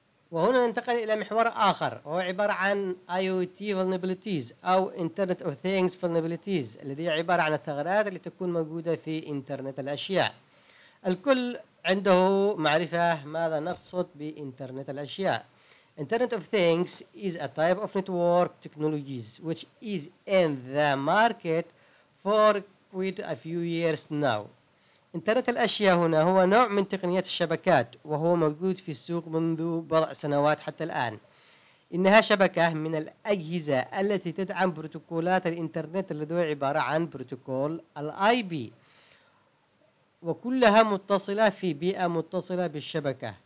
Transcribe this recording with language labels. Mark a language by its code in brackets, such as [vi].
[ar] وهنا ننتقل إلى محور آخر، وهو عبارة عن IoT vulnerabilities أو Internet of Things vulnerabilities، الذي عبارة عن الثغرات التي تكون موجودة في إنترنت الأشياء. الكل عنده معرفة ماذا نقصد بإنترنت الأشياء. [en] Internet of Things is a type of network technologies which is in the market for quite a few years now. [ar] إنترنت الأشياء هنا هو نوع من تقنيات الشبكات، وهو موجود في السوق منذ بضع سنوات حتى الآن. إنها شبكة من الأجهزة التي تدعم بروتوكولات الإنترنت، الذي هو عبارة عن بروتوكول الآي بي، وكلها متصلة في بيئة متصلة بالشبكة.